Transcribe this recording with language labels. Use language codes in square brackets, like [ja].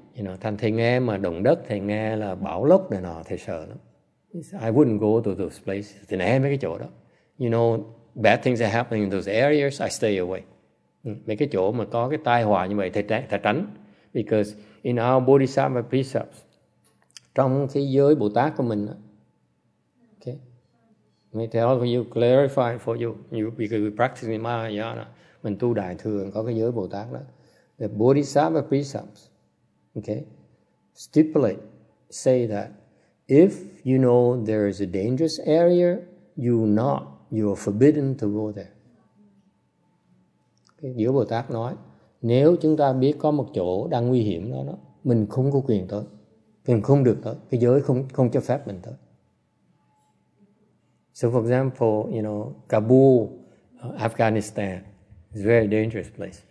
[vi] You know, thành thầy nghe mà động đất, thầy nghe là bão lốc này nọ, thầy sợ lắm. [en] I wouldn't go to those places. Thầy nghe mấy cái chỗ đó. You know, bad things are happening in those areas, I stay away. [vi] Mấy cái chỗ mà có cái tai họa như vậy, thầy tránh. [en] Because in our bodhisattva precepts, [vi] trong thế giới Bồ Tát của mình, [en] okay, may tell you, clarify for you, because we practice in Mahayana, [vi] mình tu đại thường có cái giới Bồ Tát đó. [en] The bodhisattva precepts, okay, stipulate, say that if you know there is a dangerous area, you are forbidden to go there. Okay. [vi] Giới Bồ Tát nói, nếu chúng ta biết có một chỗ đang nguy hiểm đó, mình không có quyền tới, mình không được tới, cái giới không cho phép mình tới. [en] So for example, you know, Kabul, Afghanistan, is a very dangerous place.